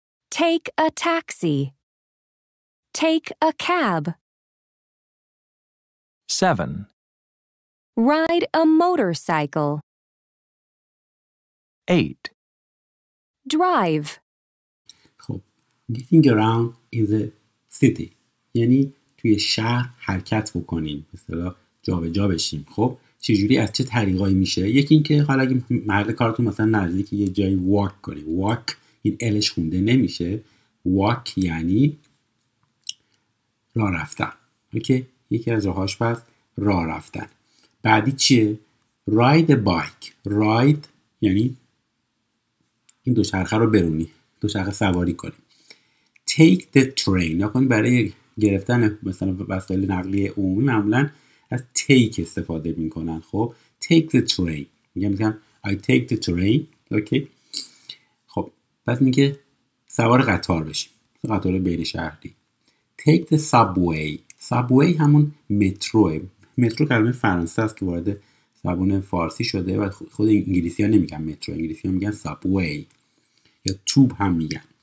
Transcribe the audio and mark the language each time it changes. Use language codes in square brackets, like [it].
[en] Take a taxi. Take a cab. 7. Ride a motorcycle. 8. Drive. [fa] خب. [en] Getting around in the city. [fa] یعنی توی شهر حرکت بکنیم، مثلا جا به جا بشیم. خب چجوری، از چه طریقایی میشه؟ یکی این که حالا اگه محل کارتون مثلا نزدیک یه جایی walk کنیم، walk این الش خونده نمیشه، walk یعنی راه رفتن. اوکی، یکی از راهاش پس راه رفتن. بعدی چیه؟ [en] ride a bike. [fa] ride یعنی این دوچرخه رو برونی، دوچرخه سواری کنیم. [en] take the train [fa] نکنیم، برای گرفتن مثلا وسایل نقلیه عمومی معمولا از take استفاده میکنن. [en] خب take the train میگم I take the train. [fa] اوکی، خب پس میگه سوار قطار بشیم، قطار بین شهری. [en] take the subway. [fa] subway همون متروه. مترو کلمه فرانسه است که وارد زبان فارسی شده و خود انگلیسی ها نمیگن مترو، انگلیسی ها میگن subway یا tube هم میگن.